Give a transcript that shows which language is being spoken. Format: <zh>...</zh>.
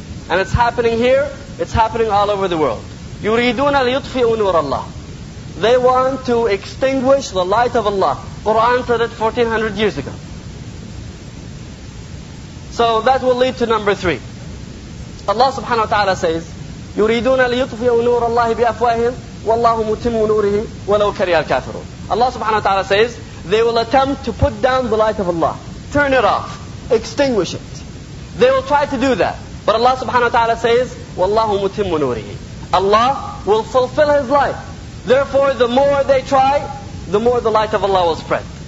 <en>And it's happening here, it's happening all over the world.</en> <ar>يُرِيدُونَ لِيُطْفِئُوا نُورَ اللَّهِ.</ar> <en>They want to extinguish the light of Allah. Quran said it 1400 years ago. So that will lead to number three. Allah subhanahu wa ta'ala says,</en> <ar>يُرِيدُونَ لِيُطْفِئُوا نُورَ اللَّهِ بِأَفْوَاهِمْ وَاللَّهُ مُتِمُّ نُورِهِ وَلَوْ كَرِيَ الْكَافِرُونَ.</ar> <en>Allah subhanahu wa ta'ala says, they will attempt to put down the light of Allah. Turn it off. Extinguish it. They will try to do that. But Allah subhanahu wa ta'ala says,</en> <ar>وَاللَّهُ مُتِمُّ نُورِهِ.</ar> <en>Allah will fulfill His light. Therefore, the more they try, the more the light of Allah will spread.</en>